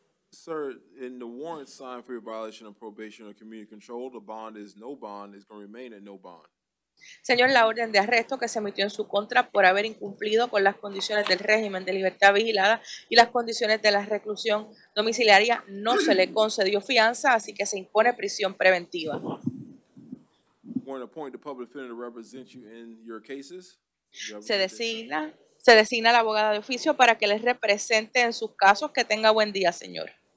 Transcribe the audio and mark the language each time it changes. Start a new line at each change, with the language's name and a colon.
English: Sir, in the warrant signed for your violation of probation or community control, the bond is no bond. It's going to remain at no bond.
Spanish: Señor, la orden de arresto que se emitió en su contra por haber incumplido con las condiciones del régimen de libertad vigilada y las condiciones de la reclusión domiciliaria no se le concedió fianza, así que se impone prisión preventiva.
English: I'm going to appoint the public defender to represent you in your cases.
Spanish: Se designa la abogada de oficio para que les represente en sus casos. Que tenga buen día, señor.